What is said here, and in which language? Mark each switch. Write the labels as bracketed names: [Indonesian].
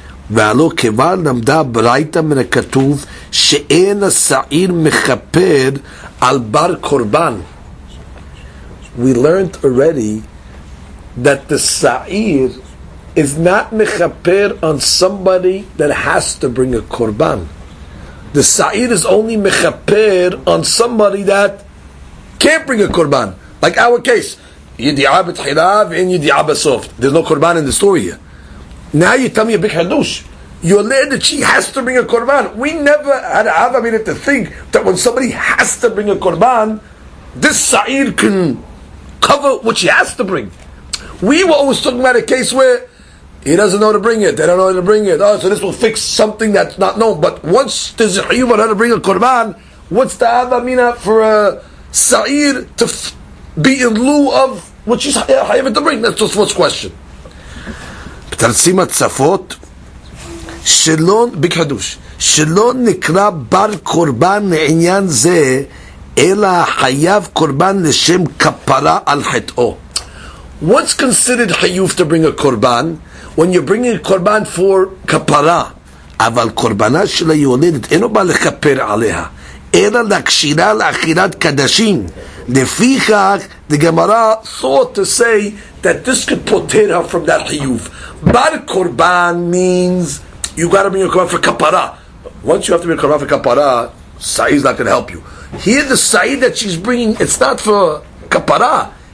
[Hebrew] ועלו כבר למדה ברייתא מן הכתוב שאין השעיר מכפר על בר קורבן. [English] We learned already that the sa'ir is not מכפר on somebody that has to bring a korban. The sa'ir is only מכפר on somebody that can't bring a korban. Like our case, ידיעה בתחילה ואין ידיעה בסוף. There's no korban in the story here. Now you tell me a big hadush. Your lady, she has to bring a korban. We never had a half a minute to think that when somebody has to bring a korban, this sa'ir can cover what she has to bring. We were always talking about a case where he doesn't know how to bring it, they don't know how to bring it. Oh, so this will fix something that's not known. But once there's a human how to bring a korban, what's the half a minute for a sa'ir to be in lieu of what she's having to bring? That's just what's the question. [Hebrew] תרצים הצפות שלא, בקדוש, שלא נקרא בר קורבן לעניין זה, אלא חייב קורבן לשם כפרה על חטאו. [English] What's considered חיוב to bring a קורבן? When you're bringing a קורבן for [Hebrew] כפרה. אבל קורבנה של היולדת אינו בא לכפר עליה, אלא להקשירה לאכילת קדשים. [English] לפיכך, the Gemara thought to say that this could protect her from that חיוב. Bar Korban means you got to bring a Korban for Kapara. Once you have to bring a Korban for Kapara, Sa'id's not going to help you. Here the Sa'id that she's bringing, it's not for Kapara.